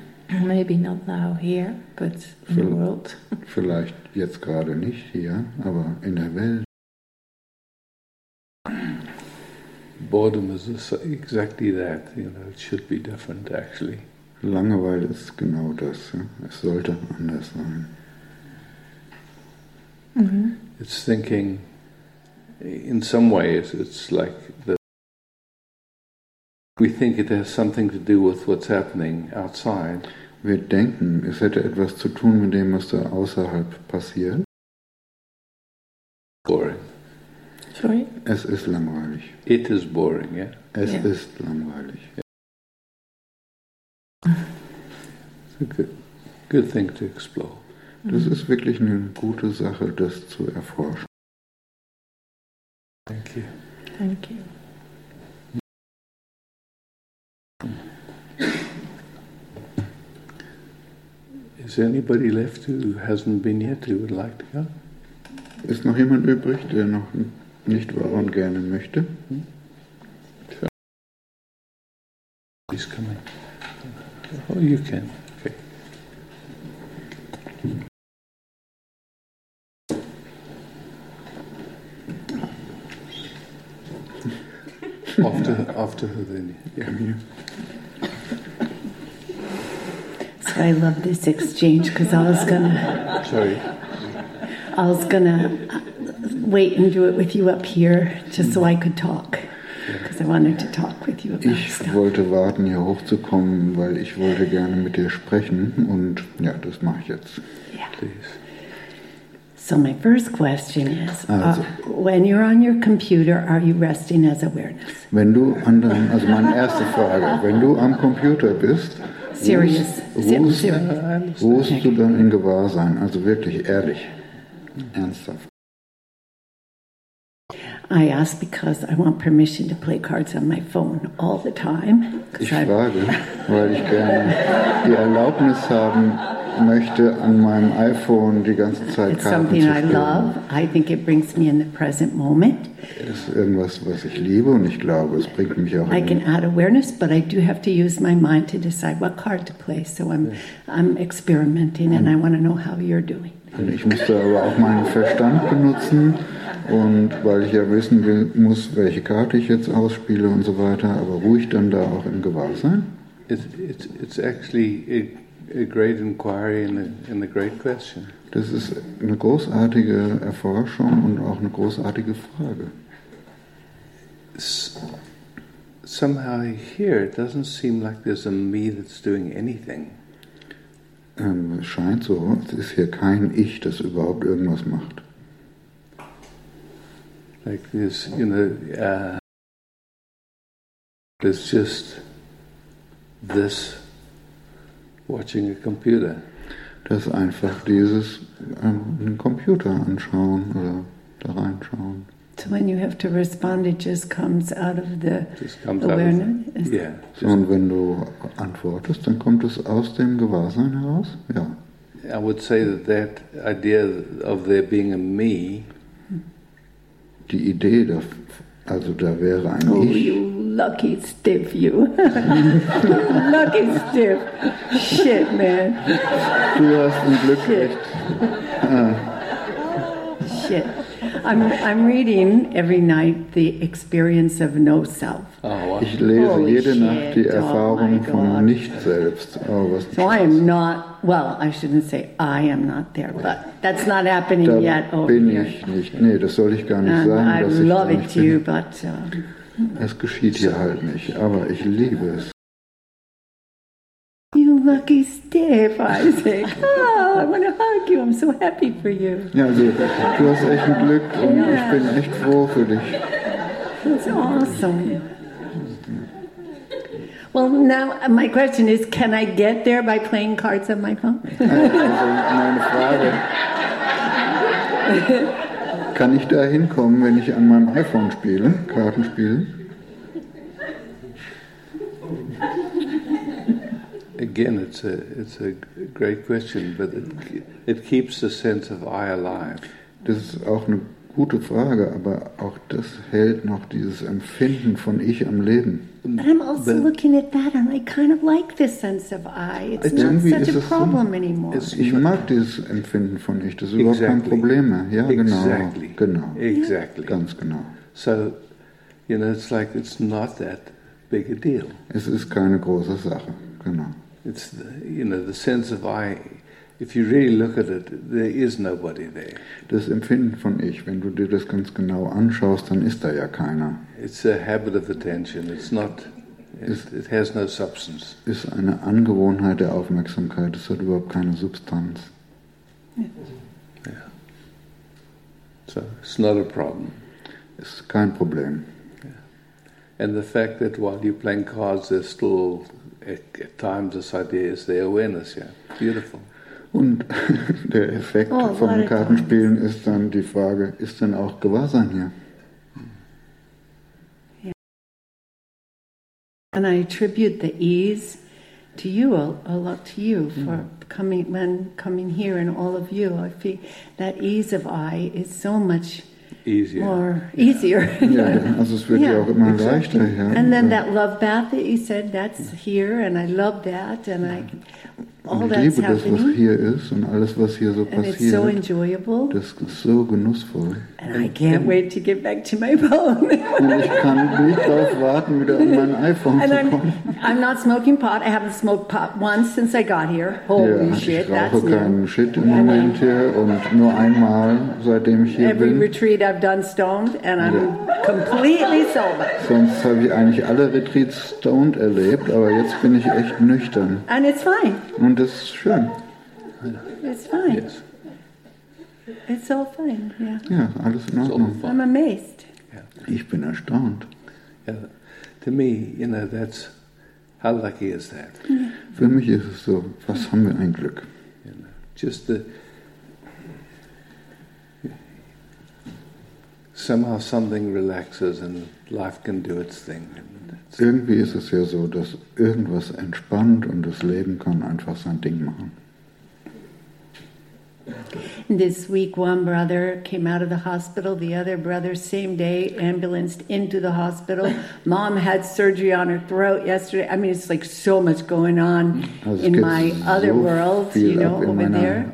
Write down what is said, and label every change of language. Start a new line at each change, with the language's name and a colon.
English: Maybe not now here, but in the world.
German: Vielleicht jetzt gerade nicht hier, aber in der Welt.
English: Boredom is exactly that. You know, it should be different, actually.
German: Langeweile ist genau das. Ja? Es sollte anders sein. Mm-hmm.
English: It's thinking, in some ways, it's like the we think it has something to do with what's happening outside.
German: Wir denken, es hätte etwas zu tun mit dem, was da außerhalb passiert.
English: Boring. Sorry?
German: Es ist langweilig.
English: It is boring, yeah?
German: Es
English: yeah.
German: ist langweilig.
English: It's a good thing to explore.
German: Das ist wirklich eine gute Sache, das zu erforschen.
English: Thank you. Thank you. Is anybody left who hasn't been yet who would like to go? Ist noch jemand übrig, der noch nicht war und gerne möchte? Hm? He's coming. Oh, you can. Okay. after her then. Yeah. Come here. I love this exchange because I was gonna wait and do it with you up here just so I could talk because I wanted to talk with you. About
German: ich
English: stuff.
German: Wollte warten hier hochzukommen, weil ich wollte gerne mit dir sprechen und ja, das mache ich jetzt.
English: Yeah. So my first question is: also, when you're on your computer, are you resting as awareness?
German: Wenn du an deinem, also meine erste Frage, wenn du am Computer bist.
English: Serious.
German: Ruhst du dann in Gewahrsein? Also wirklich, ehrlich. Ernsthaft.
English: I ask because I want permission to play cards on my phone all the time.
German: Ich frage, weil ich gerne die Erlaubnis haben möchte, an meinem iPhone die ganze Zeit
English: it's
German: Karten
English: something
German: zu spielen.
English: I love. I think it brings me in the present moment.
German: Das ist irgendwas, was ich liebe und ich glaube, es bringt mich auch
English: I can add awareness, but I do have to use my mind to decide what card to play. So I'm experimenting and I want to know how you're doing.
German: Und ich musste aber auch meinen Verstand benutzen und weil ich ja wissen will, muss, welche Karte ich jetzt ausspiele und so weiter, aber ruhig dann da auch im Gewahrsein.
English: It's actually a great inquiry and a great question.
German: Das ist eine großartige Erforschung und auch eine großartige Frage.
English: Somehow here it doesn't seem like there's a me that's doing anything.
German: Es scheint so, es ist hier kein Ich, das überhaupt irgendwas macht.
English: Like this, you know, it's just this watching a computer.
German: Das ist einfach dieses einen Computer anschauen oder da reinschauen.
English: So when you have to respond, it just comes out of the awareness. Yeah.
German: So, und wenn du antwortest, dann kommt es aus dem Gewahrsein heraus. Ja.
English: I would say that that idea of there being a me.
German: Die Idee, da, also da wäre ein oh, Ich.
English: Oh, you lucky stiff, you. Lucky stiff. Shit, man.
German: Du hast ein Glück.
English: Shit. Shit. I'm reading every night the experience of no self. Oh, wow.
German: Ich lese
English: holy
German: jede
English: shit.
German: Nacht die Erfahrung oh von nicht selbst. Oh, was so Spaß.
English: I am not, well, I shouldn't say I am not there, but that's not happening
German: da
English: yet.
German: Da bin ich nicht. Nee, das soll ich gar nicht sagen, dass ich da nicht bin.
English: I love it too, but
German: es geschieht hier halt nicht, aber ich liebe es.
English: You lucky stiff, Isaac. Oh, I want to hug you. I'm so happy for you.
German: Ja, du hast echt Glück und
English: yeah.
German: Ich bin echt froh für dich.
English: That's awesome. Well, now my question is, can I get there by playing cards on my phone?
German: Also meine Frage. Kann ich da hinkommen, wenn ich an meinem iPhone spiele, Karten spiele?
English: Again, it's a great question, but it keeps the sense of I alive.
German: Das ist auch eine gute Frage, aber auch das hält noch dieses Empfinden von Ich am Leben.
English: But I'm also looking at that, and I kind of like this sense of I. It's not such a problem anymore.
German: Ich mag dieses Empfinden von Ich. Das ist überhaupt kein Problem mehr. Ja, genau.
English: Exactly.
German: Ganz genau.
English: So, you know, it's like it's not that big a deal.
German: Es ist keine große Sache. Genau.
English: It's the, you know, the sense of I. If you really look at it, there is nobody there.
German: Das Empfinden von Ich, wenn du dir das ganz genau anschaust, dann ist da ja keiner.
English: It's a habit of attention. It's not. It has no substance.
German: Ist eine Angewohnheit der Aufmerksamkeit. Es hat überhaupt keine Substanz.
English: Yeah. So it's not a problem.
German: Ist kein Problem.
English: Yeah. And the fact that while you're playing cards, there's still at times this idea is the awareness. Yeah, beautiful.
German: Und der Effekt vom Kartenspielen ist dann die Frage, ist denn auch Gewahrsein hier?
English: Yeah. And I attribute the ease to you, a lot to you, for coming here and all of you. I feel that ease of I is so much easier. More easier.
German: Yeah, also es wird ja auch immer leichter. Ja.
English: And then that love bath that you said, that's here, and I love that, and
German: Und ich liebe das, was hier ist und alles, was hier so passiert.
English: And it's so enjoyable.
German: Das ist so genussvoll.
English: And I can't wait to get back to my phone.
German: Und ich kann nicht darauf warten, wieder an mein iPhone
English: and
German: zu kommen.
English: I'm not smoking pot. I haven't smoked pot once since I got here. Holy
German: ja,
English: shit, that's
German: ich rauche keinen Shit im Moment hier und nur einmal, seitdem ich hier
English: every
German: bin.
English: Every retreat I've done stoned and I'm completely sober.
German: Sonst habe ich eigentlich alle Retreats stoned erlebt, aber jetzt bin ich echt nüchtern.
English: And it's fine.
German: Und das ist schön.
English: It's fine. Yes. It's all fine, yeah.
German: Ja, alles in Ordnung.
English: I'm amazed. Yeah.
German: Ich bin erstaunt.
English: Yeah. To me, you know, that's how lucky is that? Yeah.
German: Für mich ist es so, was haben wir ein Glück.
English: You know, just the somehow something relaxes and life can do its thing.
German: Irgendwie ist es ja so, dass irgendwas entspannt und das Leben kann einfach sein Ding machen.
English: This week one brother came out of the hospital, the other brother same day ambulanced into the hospital. Mom had surgery on her throat yesterday. I mean, it's like so much going on in my other world, you know, over there.